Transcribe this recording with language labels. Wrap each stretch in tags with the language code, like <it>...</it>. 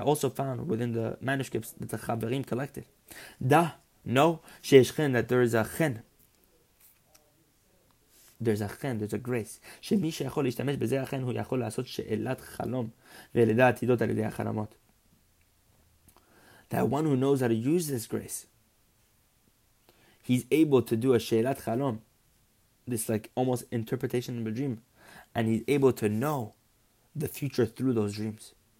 <en>I also found within the manuscripts that the חברים collected. Da, no,</en> <he>שיש חן,</he> <en>that there is a חן. There's a חן, there's a grace.</en> <he>שמי שיכול להשתמש בזה החן, הוא יכול לעשות שאלת חלום ולדע עתידות על ידי החלמות.</he> <en>That one who knows how to use this grace, he's able to do a שאלת חלום. This like almost interpretation of a dream. And he's able to know the future through those dreams.</en>